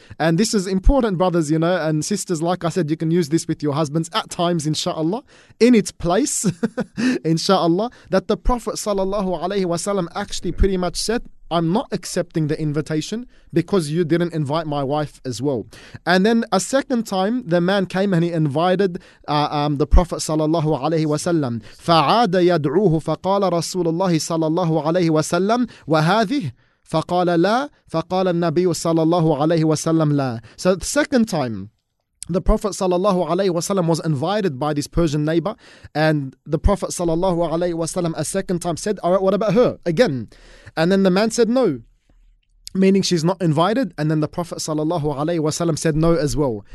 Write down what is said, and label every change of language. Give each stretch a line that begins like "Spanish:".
English: And this is important, brothers, you know, and sisters, like I said, you can use this with your husbands at times, inshallah, in its place, inshallah, that the Prophet صلى الله عليه وسلم actually pretty much said, I'm not accepting the invitation because you didn't invite my wife as well. And then a second time, the man came and he invited the Prophet sallallahu alaihi wasallam.
Arabic: فعاد يدعوه فقال رسول الله صلى الله عليه وسلم وهذه فقال لا فقال النبي صلى الله عليه وسلم لا.
English: So the second time, the Prophet sallallahu alaihi wasallam was invited by this Persian neighbor, and the Prophet sallallahu alaihi wasallam a second time said, "All right, what about her again?" And then the man said no, meaning she's not invited. And then the Prophet sallallahu alaihi wasallam said no as well.